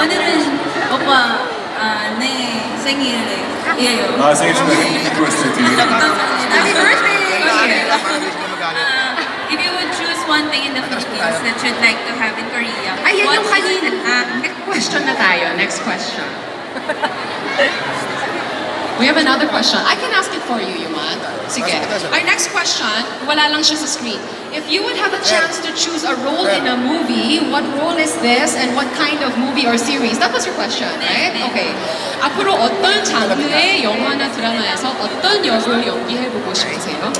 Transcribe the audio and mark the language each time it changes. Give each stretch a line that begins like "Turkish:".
Korean: 오늘은 오빠 생일이에요. 아 생일 축하드립니다.
English: Happy birthday! If you would choose one thing in the Philippines that you'd like to have in Korea,
Filipino: ay, yan yung kanina.
English: Next question
Filipino: na tayo. Next question.
English: We have another question. I can ask it for you, Yuman.
Filipino: Sige.
English: Our next question,
Filipino: wala lang siya sa screen.
English: If you would have a chance to choose a role in a movie, what role is this and what kind of movie or series? That was your question, right? Okay.
Korean: 앞으로 어떤 장르의 영화나 드라마에서 어떤 역을 연기해 보고 싶으세요?